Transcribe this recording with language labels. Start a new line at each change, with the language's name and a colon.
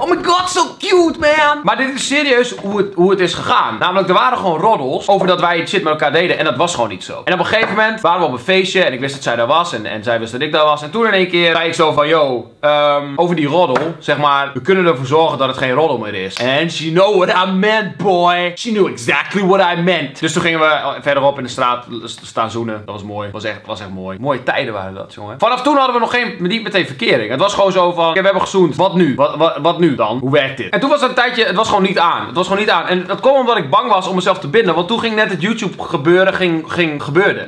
English: Oh my god, so cute, man.
Dutch: Maar dit is serieus hoe het is gegaan. Namelijk, er waren gewoon roddels over dat wij shit met elkaar deden. En dat was gewoon niet zo. En op een gegeven moment waren we op een feestje. En ik wist dat zij daar was. En zij wist dat ik daar was. En toen in één keer zei ik zo van. Yo, over die roddel. Zeg maar, we kunnen ervoor zorgen dat het geen roddel meer is.
English: And she know what I meant, boy. She knew exactly what I meant.
Dutch: Dus toen gingen we verderop in de straat staan zoenen. Dat was mooi. Was echt mooi. Mooie tijden waren dat, jongen. Vanaf toen hadden we nog geen, niet meteen verkering. Het was gewoon zo van, okay, we hebben gezoend. Wat nu? Wat nu dan? Hoe werkt dit? En toen was het een tijdje, het was gewoon niet aan. Het was gewoon niet aan. En dat kwam omdat ik bang was om mezelf te binden. Want toen ging net het YouTube gebeuren, ging gebeuren.